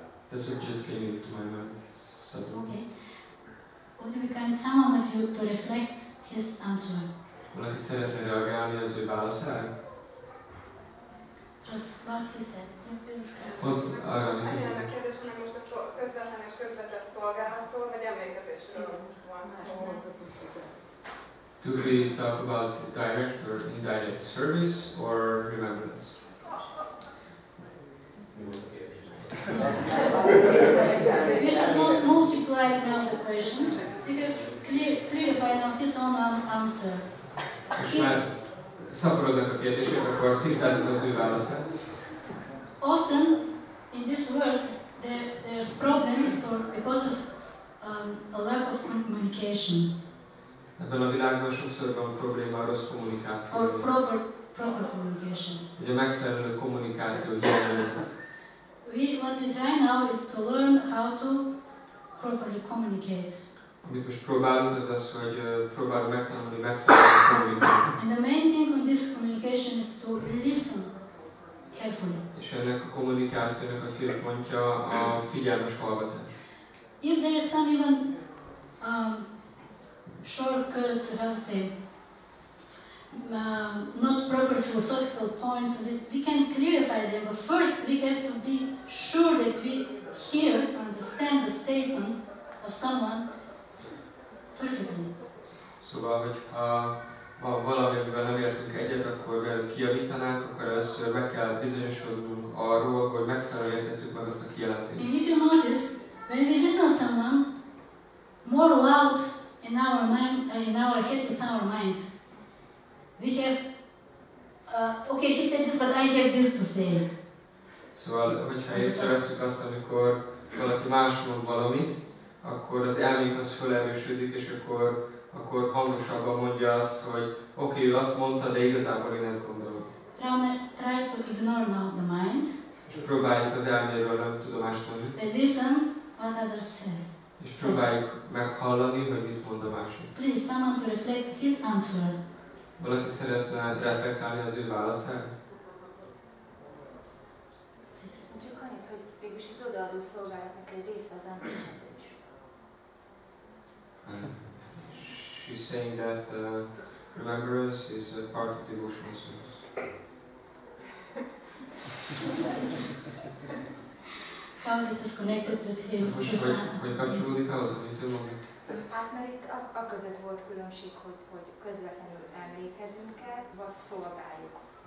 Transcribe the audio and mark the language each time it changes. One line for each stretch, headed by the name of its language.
English: That's what just came into my mind. Sadhu. Okay. Would we kind someone of you to reflect his answer? Well, like I said, I'm going to reply. Just what he said.
Hungarian: Most arra mi kérdés, hogy most a közvetlen és közvetett szolgálatról, vagy emlékezésről van szó.
English: Do we talk about direct or indirect service or remembrance? We should not multiply now the questions. We can clarify now his own answer. Krishna,
Hungarian: szaporodnak a kérdését, akkor tisztázod az ő válaszát.
English: Often in this world there's problems for because of a lack of communication.
Hungarian: Ebben a világban sokszor van probléma a rossz kommunikáció.
English: Or proper communication.
Hungarian: Ugye megfelelő kommunikáció hiányzik.
English: What we try now is to learn how to properly communicate.
Hungarian: Amit most próbálunk, az az, hogy próbálunk megtanulni, megfelelően kommunikálni.
English: And the main thing with this communication is to listen carefully.
Hungarian: És ennek a kommunikációnak a fő pontja a figyelmes hallgatás.
English: If there is some even shortcuts, how to say, not proper philosophical points, this, we can clarify them, but first we have to be sure that we hear, understand the statement of someone perfectly.
Hungarian: Szóval, hogyha valami, amivel nem értünk egyet, akkor mielőtt kijavítanánk, akkor először meg kell bizonyosodnunk arról, hogy megfelelően értettük meg azt a kijelentést.
English: And if you notice, when we listen to someone, more loud in our mind, in our head is our mind. We have, okay, he said this, but I have this to say.
Hungarian: Szóval, hogyha észreveszünk azt, amikor valaki más mond valamit, akkor az elménk az felerősödik, és akkor hangosabban mondja azt, hogy oké, ő azt mondta, de igazából én ezt gondolom.
English: Try to ignore now the mind.
Hungarian: És próbáljuk az elméről nem tudomást venni.
English: Listen what others says.
Hungarian: És próbáljuk meghallani, hogy mit mond a másik.
English: Please, someone to reflect his answer.
Hungarian: Valaki szeretne reflektálni az ő válaszát? Csak annyit, hogy végülis az odaadó szolgálatnak egy része az emberhez is.
English: She's saying that remembrance is a part of devotional service. How this is connected with him?
Hungarian: Hogy kapcsolódik ahhoz, amit ő mondja? Hát, mert itt a között volt különbség, hogy közvetlenül emlékezünk-e, vagy szolgáljuk.